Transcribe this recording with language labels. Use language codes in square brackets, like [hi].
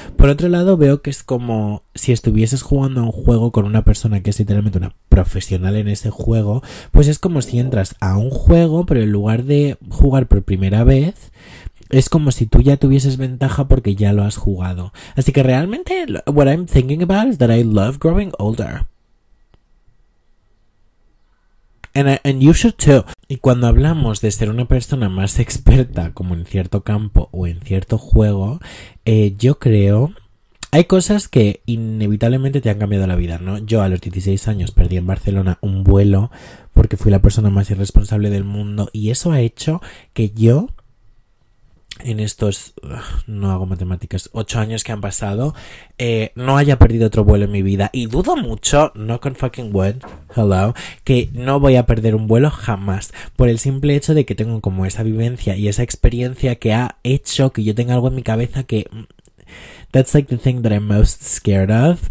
[es] Por otro lado, veo que es como si estuvieses jugando a un juego con una persona que es literalmente una profesional en ese juego, pues es como si entras a un juego, pero en lugar de jugar por primera vez, es como si tú ya tuvieses ventaja porque ya lo has jugado. Así que realmente, [en] what I'm thinking about is that I love growing older. And you should too. [es] Y cuando hablamos de ser una persona más experta, como en cierto campo o en cierto juego, yo creo. Hay cosas que inevitablemente te han cambiado la vida, ¿no? Yo a los 16 años perdí en Barcelona un vuelo porque fui la persona más irresponsable del mundo. Y eso ha hecho que yo, en estos, no hago matemáticas, 8 años que han pasado, no haya perdido otro vuelo en mi vida. Y dudo mucho, [en] knock on fucking wood, hello, [es] que no voy a perder un vuelo jamás. Por el simple hecho de que tengo como esa vivencia y esa experiencia que ha hecho que yo tenga algo en mi cabeza que. [en] That's like the thing that I'm most scared of.